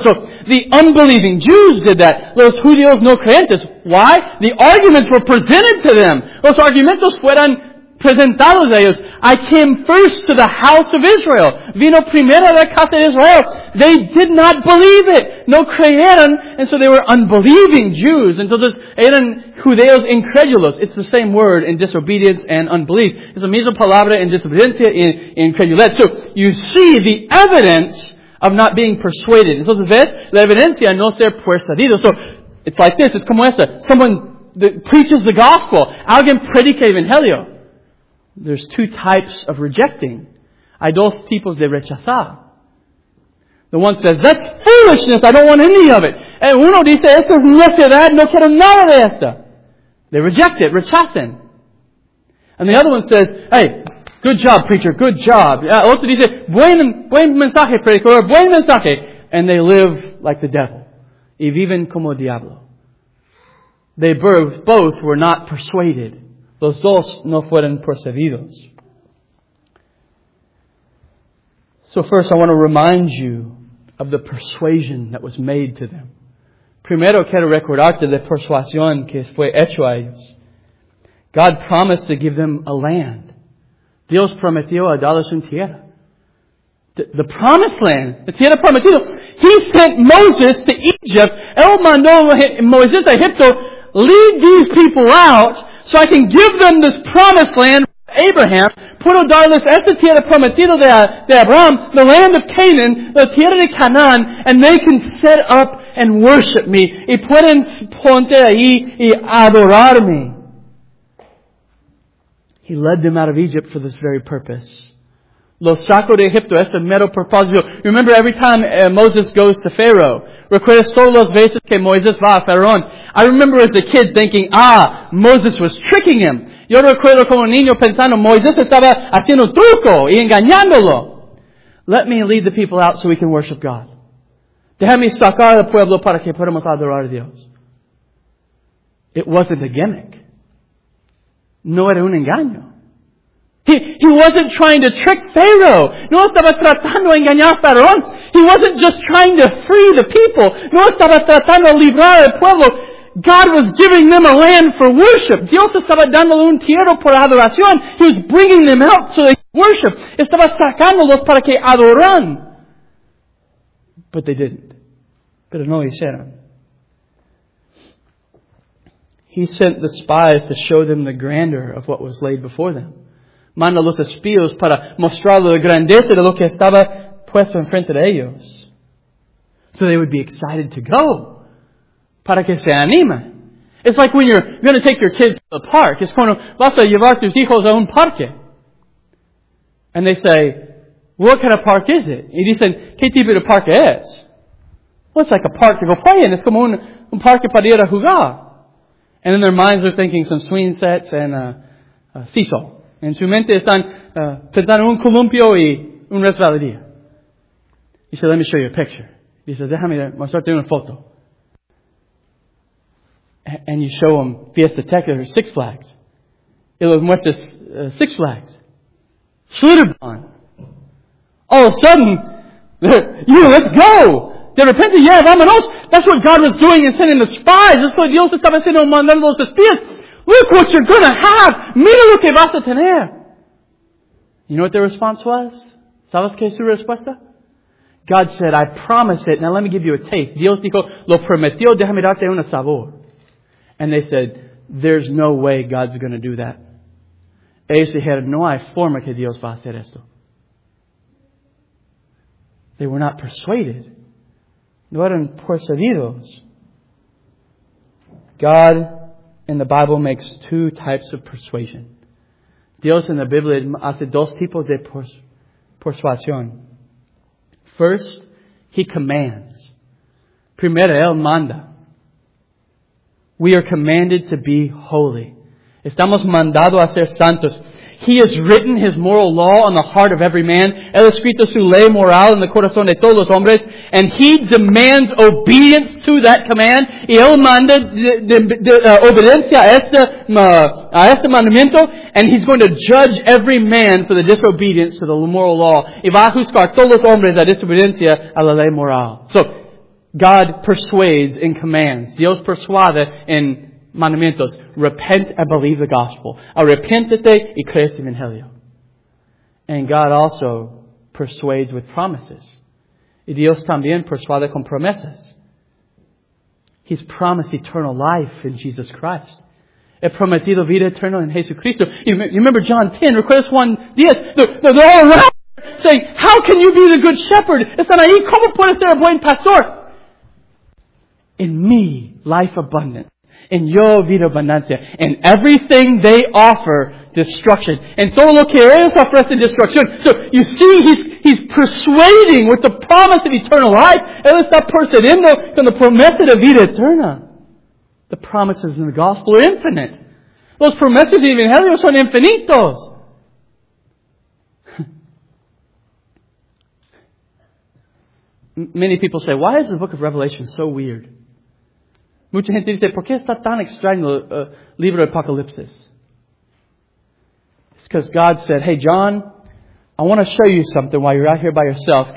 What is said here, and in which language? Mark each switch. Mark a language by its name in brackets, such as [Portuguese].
[English] So, the unbelieving Jews did that. [Spanish] Los judíos no creyentes. [English] Why? The arguments were presented to them. [Spanish] Los argumentos fueron presentados a ellos. [English] I came first to the house of Israel. [Spanish] Vino primero a la casa de Israel. [English] They did not believe it. [Spanish] No creyeron. [English] And so they were unbelieving Jews. [Spanish] Entonces eran judeos incrédulos. [English] It's the same word in disobedience and unbelief. [Spanish] Es la misma palabra en desobediencia y incredulidad. [English] So you see the evidence of not being persuaded. [Spanish] Entonces ves la evidencia no ser persuadido. [English] So it's like this. It's [Spanish] como esta. [English] Someone that preaches the gospel. [Spanish] Alguien predica evangelio. [English] There's two types of rejecting. [Spanish] Hay dos tipos de rechazar. [English] The one says, that's foolishness, I don't want any of it. [Spanish] And uno dice, esto es necedad, no quiero nada de esto. [English] They reject it, [Spanish] rechazan. [English] And the other one says, hey, good job, preacher, good job. [Spanish] Otro dice, buen mensaje, predicador, buen mensaje. [English] And they live like the devil. [Spanish] Y viven como diablo. [English] They both were not persuaded. [Spanish] Los dos no fueron percibidos. [English] So first, I want to remind you of the persuasion that was made to them. [Spanish] Primero, quiero recordarte la persuasión que fue hecho a ellos. [English] God promised to give them a land. [Spanish] Dios prometió a darles una tierra. [English] The promised land. [Spanish] La tierra prometida. [English] He sent Moses to Egypt. [Spanish] Él mandó Moisés a Egipto. [English] Lead these people out. So I can give them this promised land. [Spanish] Abraham, puedo darles esta tierra prometida de Abraham, [English] the land of Canaan, [Spanish] la tierra de Canaan, and they can set up and worship me. Y pueden ponte ahí y adorarme. [English] He led them out of Egypt for this very purpose. [Spanish] Los sacó de Egipto, este mero propósito. [English] Remember every time Moses goes to Pharaoh. [Spanish] Recuerdas todas las veces que Moisés va a Faraón. [English] I remember as a kid thinking, ah, Moses was tricking him. [Spanish] Yo recuerdo como niño pensando, Moisés estaba haciendo truco y engañándolo. [English] Let me lead the people out so we can worship God. [Spanish] Déjame sacar al pueblo para que podamos adorar a Dios. [English] It wasn't a gimmick. [Spanish] No era un engaño. [English] He wasn't trying to trick Pharaoh. [Spanish] No estaba tratando de engañar a Faraón. [English] He wasn't just trying to free the people. [Spanish] No estaba tratando de librar al pueblo. [English] God was giving them a land for worship. [Spanish] Dios estaba dándole un tierra por adoración. [English] He was bringing them out so they could worship. [Spanish] Estaba sacándolos para que adoran. [English] But they didn't. [Spanish] Pero no hicieron. [English] He sent the spies to show them the grandeur of what was laid before them. [Spanish] Manda los espíos para mostrar la grandeza de lo que estaba puesto enfrente de ellos. [English] So they would be excited to go. [Spanish] Para que se anime. [English] It's like when you're going to take your kids to the park. [Spanish] Es cuando vas a llevar tus hijos a un parque. [English] And they say, what kind of park is it? [Spanish] Y dicen, ¿qué tipo de parque es? [English] Well, it's like a park to go play in. [Spanish] Es como un parque para ir a jugar. [English] And in their minds they're thinking some swing sets and a seesaw. [Spanish] En su mente están pensando un columpio y un resbaladilla. [English] He said, let me show you a picture. He says, [Spanish] déjame mostrarte una foto. [English] And you show them Fiesta Tech, there's Six Flags. [Spanish] Y los muestras Six Flags. [English] Schlitterbahn. All of a sudden, yeah, let's go. [Spanish] De repente, yeah, vámonos. [English] That's what God was doing in sending the spies. That's what [Spanish] Dios estaba haciendo mandando los espías. [English] Look what you're going to have. [Spanish] Mira lo que vas a tener. [English] You know what their response was? [Spanish] ¿Sabes qué su respuesta? [English] God said, I promise it. Now let me give you a taste. [Spanish] Dios dijo, lo prometió, déjame darte un sabor. [English] And they said, there's no way God's going to do that. [Spanish] Ellos dijeron, no hay forma que Dios va a hacer esto. [English] They were not persuaded. [Spanish] No eran persuadidos. [English] God in the Bible makes two types of persuasion. [Spanish] Dios en la Biblia hace dos tipos de persuasión. [English] First, He commands. [Spanish] Primero, Él manda. [English] We are commanded to be holy. [Spanish] Estamos mandados a ser santos. [English] He has written His moral law on the heart of every man. [Spanish] Él ha escrito su ley moral en el corazón de todos los hombres. [English] And He demands obedience to that command. [Spanish] Y Él manda obediencia a este mandamiento. [English] And He's going to judge every man for the disobedience to the moral law. [Spanish] Y va a juzgar todos los hombres a desobediencia a la ley moral. [English] So, God persuades in commands. [Spanish] Dios persuade en mandamientos. [English] Repent and believe the gospel. [Spanish] Arrepiéntete y crees el evangelio. [English] And God also persuades with promises. [Spanish] Y Dios también persuade con promesas. [English] He's promised eternal life in Jesus Christ. [Spanish] He prometido vida eterna en Jesucristo. [English] You remember John 10, request 1, 10. They're all around saying, how can you be the good shepherd? [Spanish] Están ahí, ¿cómo puede ser el buen pastor? [English] In me, life abundant. [Spanish] In yo, vida abundancia. [English] In everything they offer, destruction. [Spanish] En todo lo que ellos ofrecen, destrucción. [English] So, you see, he's persuading with the promise of eternal life. [Spanish] Él está persuadiendo con la promesa de vida eterna. [English] The promises in the gospel are infinite. [Spanish] Los promesas de evangelio son infinitos. [English] Many people say, why is the book of Revelation so weird? [Spanish] Mucha gente dice, ¿por qué está tan extraño el libro de Apocalipsis? [English] It's because God said, hey, John, I want to show you something while you're out here by yourself.